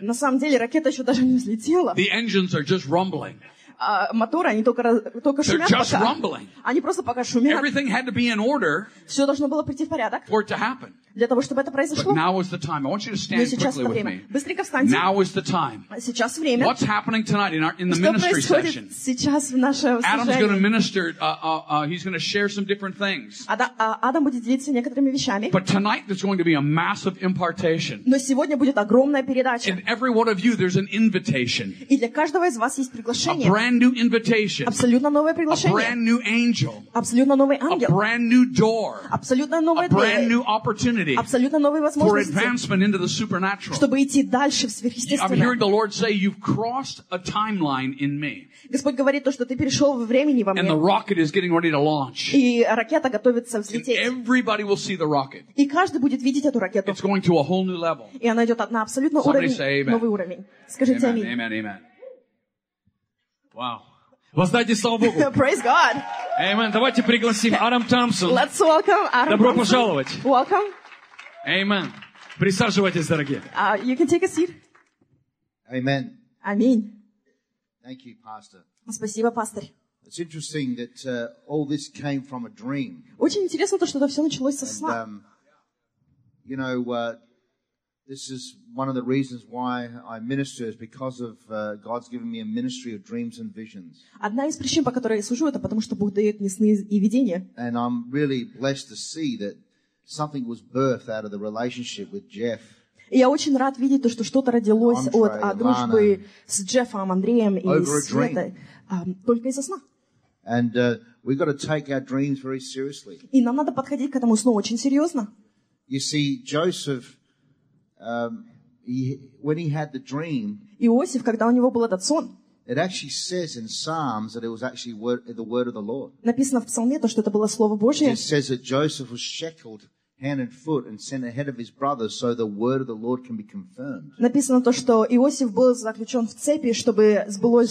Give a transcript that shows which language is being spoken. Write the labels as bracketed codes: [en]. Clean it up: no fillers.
[ru] На самом деле, ракета еще даже не взлетела. [en] The engines are just rumbling. [ru] Моторы, они только шумят [en] They're just [ru] пока. [en] Rumbling. [ru] Они просто пока шумят. [en] Everything had to be in order. [ru] Все должно было прийти в порядок. [en] For it to happen. [ru] Для того, чтобы это произошло. [en] But now is the time. I want you to stand quickly with [ru] время. [en] Me. [ru] Быстренько встаньте. [en] Now is the time. [ru] Сейчас время. [en] What's happening tonight in the ministry session? [ru] Что происходит сейчас в нашем служении? [en] Adam's going to minister. He's going to share some different things. [ru] Адам будет делиться некоторыми вещами. [en] But tonight there's going to be a massive impartation. [ru] Но сегодня будет огромная передача. [en] In every one of you there's an invitation. [ru] И для каждого из вас есть приглашение. [en] A brand new invitation. [ru] Абсолютно новое приглашение. [en] A brand new angel. [ru] Абсолютно новый ангел. [en] A brand new door. [ru] Абсолютно новая дверь. [en] A brand new opportunity. [ru] Абсолютно новые возможности. [en] For advancement into the supernatural. [ru] Чтобы идти дальше в сверхъестественное. [en] I'm hearing the Lord say, "You've crossed a timeline in me." [ru] Господь говорит то, что ты перешел во времени во мне. [en] And the rocket is getting ready to launch. [ru] И ракета готовится взлететь. [en] And everybody will see the rocket. [ru] И каждый будет видеть эту ракету. [en] It's going to a whole new level. [ru] И она идет на абсолютно новый уровень. Скажите аминь. [en] Amen. Amen. Wow. [ru] Воздайте слава Богу. [en] Praise God. Amen. [ru] Давайте пригласим Адам Томпсон. [en] Let's welcome Adam. [ru] Добро пожаловать. [en] Welcome. Amen. [ru] Присаживайтесь, дорогие. [en] You can take a seat. Amen. [ru] Аминь. [en] Thank you, Pastor. [ru] Спасибо, пастор. [en] It's interesting that all this came from a dream. [ru] Очень интересно то, что это все началось со сна. [en] You know, this is one of the reasons why I minister is because of God's given me a ministry of dreams and visions. [ru] Одна из причин, по которой я служу, это потому что Бог дает мне сны и видения. [en] And I'm really blessed to see that something was birthed out of the relationship with Jeff. [ru] Я очень рад видеть то, что что-то родилось от дружбы с Джеффом, Андреем и Светой только из-за сна. [en] And we've got to take our dreams very seriously. [ru] И нам надо подходить к этому сну очень серьезно. [en] You see, Joseph. When he had the dream, [ru] Иосиф, когда у него был этот сон, [en] it actually says in Psalms that it was actually the word of the Lord. [ru] Написано в псалме то, что это было слово Божье. [en] It says that Joseph was shackled hand and foot and sent ahead of his brothers so the word of the Lord can be confirmed. [ru] Написано то, что Иосиф был заключен в цепи, чтобы сбылось